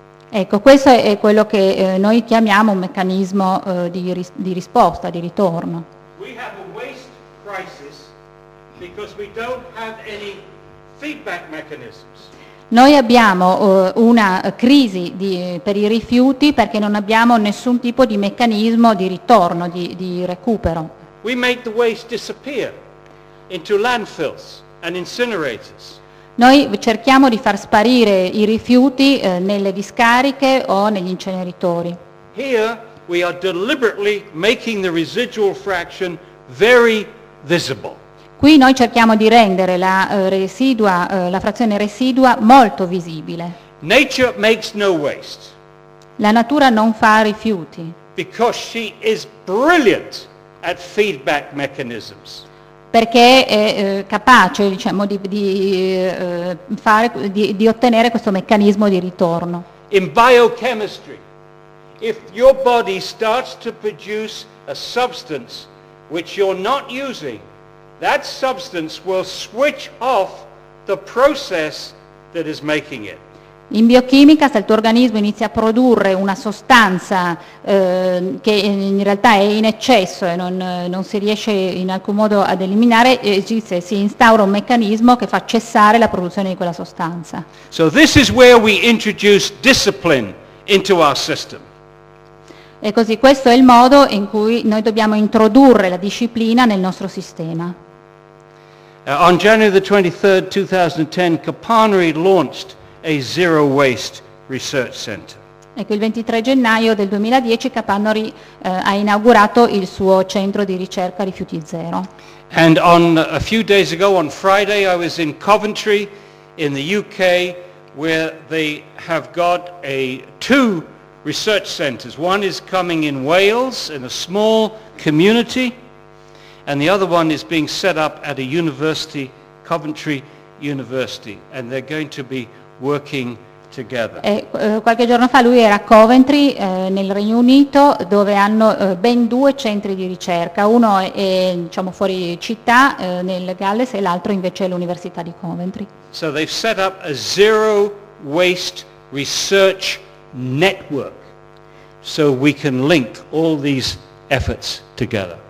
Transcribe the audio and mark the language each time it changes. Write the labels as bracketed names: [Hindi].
[Italian] Ecco, questo è quello che noi chiamiamo un meccanismo di risposta, di ritorno. [English] We have a waste crisis because we don't have any feedback mechanisms. [Italian] Noi abbiamo una crisi per i rifiuti perché non abbiamo nessun tipo di meccanismo di ritorno, di recupero. [English] We make the waste disappear into landfills and incinerators. [Italian] Noi cerchiamo di far sparire i rifiuti nelle discariche o negli inceneritori. [English] Here we are deliberately making the residual fraction very visible. [Italian] Qui noi cerchiamo di rendere la frazione residua molto visibile. [English] Nature makes no waste. [Italian] La natura non fa rifiuti. [English] Because she is brilliant at feedback mechanisms. [Italian] Perché è capace, diciamo, di ottenere questo meccanismo di ritorno. [English] In biochemistry, if your body starts to produce a substance which you're not using, that substance will switch off the process that is making it. [Italian] In biochimica, se il tuo organismo inizia a produrre una sostanza che in realtà è in eccesso e non si riesce in alcun modo ad eliminare, si instaura un meccanismo che fa cessare la produzione di quella sostanza. [English] So this is where we introduce discipline into our system. [Italian] E così questo è il modo in cui noi dobbiamo introdurre la disciplina nel nostro sistema. [English] On January the 23rd, 2010, Kapanri launched a zero waste research center. [Italian] Ecco, il 23 gennaio del 2010 Kapanri ha inaugurato il suo centro di ricerca rifiuti zero. [English] And on a few days ago, on Friday, I was in Coventry in the UK where they have got two research centers. One is coming in Wales in a small community and the other one is being set up at a university, Coventry University, and they're going to be working together. [Italian] Qualche giorno fa lui era a Coventry nel Regno Unito, dove hanno ben due centri di ricerca. Uno è, diciamo, fuori città nel Galles e l'altro invece è l'Università di Coventry. [English] So they've set up a zero waste research network so we can link all these efforts together.